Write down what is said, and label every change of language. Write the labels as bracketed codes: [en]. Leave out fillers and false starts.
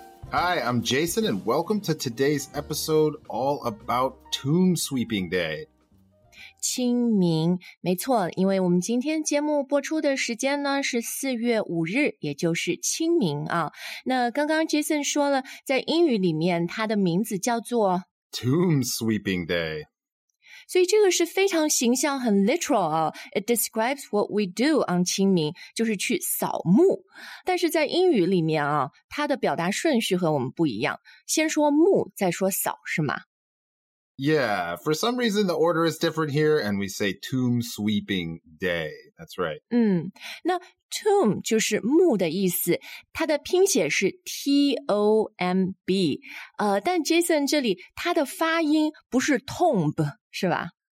[en] Hi, I'm Jason, and welcome to today's episode all about Tomb Sweeping Day. [zh] 清明，没错，因为我们今天节目播出的时间呢是4月5日，也就是清明啊。那刚刚 Jason 说了，在英语里面它的名字叫做 [en] Tomb Sweeping Day。 [zh] 所以这个是非常形象，很 literal 啊。 [en] It describes what we do on [zh] 清明，就是去扫墓。但是在英语里面啊，它的表达顺序和我们不一样。先说墓，再说扫，是吗？ [en] Yeah, for some reason the order is different here, and we say tomb sweeping day. That's right. [zh] 那 tomb 就是墓的意思，它的拼写是 T-O-M-B。但 Jason 这里它的发音不是 tomb。是吧?